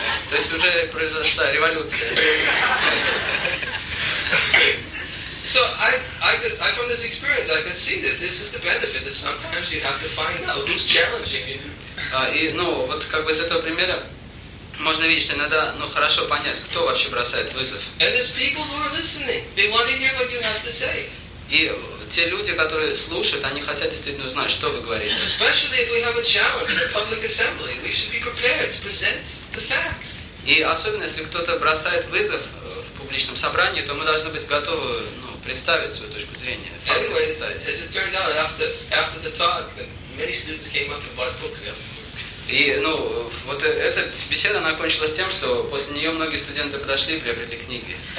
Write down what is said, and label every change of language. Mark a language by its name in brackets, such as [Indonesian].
[Russian] То есть уже произошла революция. [English] So I from this experience I could see that this is the benefit that sometimes you have to find out who's challenging you. [Russian] И, ну, вот как бы из этого примера можно видеть, что иногда, ну, хорошо понять, кто вообще бросает вызов. [English] And there's people who are listening. They want to hear what you have to say. [Russian] И те люди, которые слушают, они хотят действительно узнать, что вы говорите. [English] Especially if we have a challenge in a public assembly, we should be prepared to present the facts. [Russian] И особенно, если кто-то бросает вызов в публичном собрании, то мы должны быть готовы, ну, представить свою точку зрения. [English] Anyway, as it turned out, after the talk, many students came up and bought books. [Russian] И, ну, вот эта беседа, она кончилась тем, что после нее многие студенты подошли и приобрели книги.